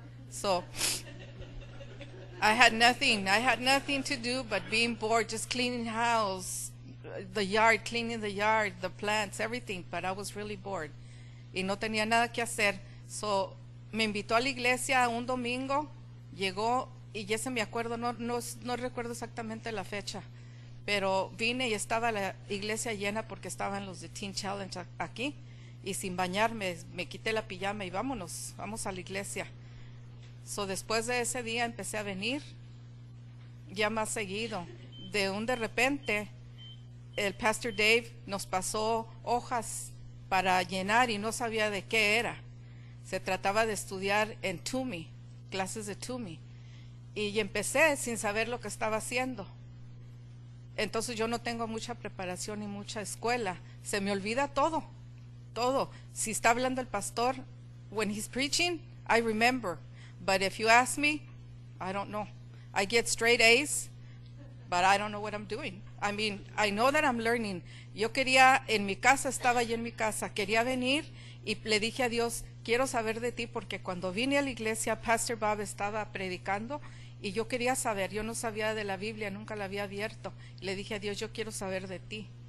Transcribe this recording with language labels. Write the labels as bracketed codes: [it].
[en] So, I had nothing to do but being bored, just cleaning house, cleaning the yard, the plants, everything, but I was really bored. [es] Y no tenía nada que hacer. So, me invitó a la iglesia un domingo, llegó, y ya se me acuerdo, no recuerdo exactamente la fecha, pero vine y estaba la iglesia llena porque estaban los de Teen Challenge aquí, y sin bañarme, me quité la pijama y vamos a la iglesia. So, después de ese día empecé a venir ya más seguido. De repente, el Pastor Dave nos pasó hojas para llenar y no sabía de qué era. Se trataba de estudiar en TUMI, clases de TUMI. Y empecé sin saber lo que estaba haciendo. Entonces yo no tengo mucha preparación ni mucha escuela. Se me olvida todo. Si está hablando el pastor, [en] when he's preaching, I remember. But if you ask me, I don't know. I get straight A's, but I don't know what I'm doing. I mean, I know that I'm learning. [es] Yo quería, en mi casa, estaba allí en mi casa, quería venir y le dije a Dios, quiero saber de ti, porque cuando vine a la iglesia, Pastor Bob estaba predicando y yo quería saber. Yo no sabía de la Biblia, nunca la había abierto. Le dije a Dios, yo quiero saber de ti.